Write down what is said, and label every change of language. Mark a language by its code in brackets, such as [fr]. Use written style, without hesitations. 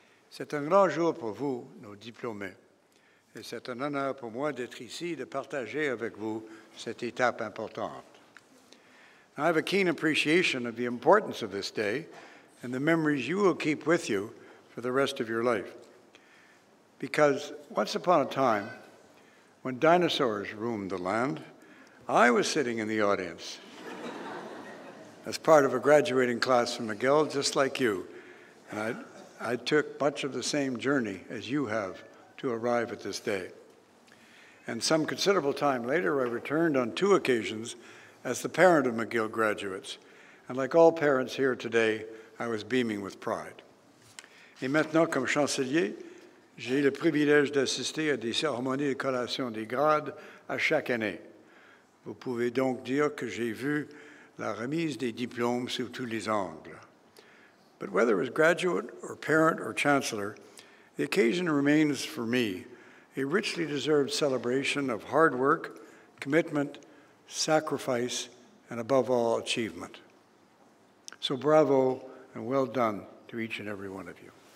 [fr] C'est un grand jour pour vous, nos diplômés, et c'est un honneur pour moi d'être ici de partager avec vous cette étape importante. [en] Now, I have a keen appreciation of the importance of this day and the memories you will keep with you for the rest of your life. Because once upon a time, when dinosaurs roamed the land, I was sitting in the audience as part of a graduating class from McGill, just like you. And I took much of the same journey as you have to arrive at this day. And some considerable time later, I returned on two occasions as the parent of McGill graduates. And like all parents here today, I was beaming with pride. [fr] Et maintenant, comme chancelier, j'ai le privilège d'assister à des cérémonies de collation des grades à chaque année. Vous pouvez donc dire que j'ai vu la remise des diplômes sous tous les angles. [en] But whether as graduate or parent or chancellor, the occasion remains for me a richly deserved celebration of hard work, commitment, sacrifice, and above all, achievement. So bravo and well done to each and every one of you.